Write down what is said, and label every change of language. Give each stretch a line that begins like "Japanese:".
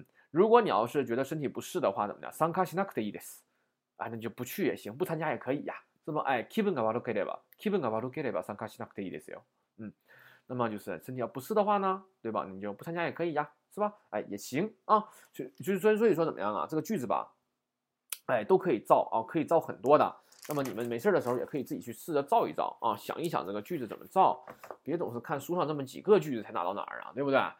Chinese: 如果你要是觉得身体不适的话，怎么样？
Japanese: 参加しなくていいです。
Chinese: 啊，那就不去也行，不参加也可以呀，是吧？
Japanese: 哎，気分が悪ければ参加しなくていいですよ。
Chinese: 那么就是身体要不适的话呢，对吧？你就不参加也可以呀，是吧？哎，也行啊。所以说怎么样啊？这个句子吧，哎，都可以造啊，可以造很多的。那么你们没事的时候也可以自己去试着造一造啊，想一想这个句子怎么造，别总是看书上这么几个句子才拿到哪儿啊，对不对？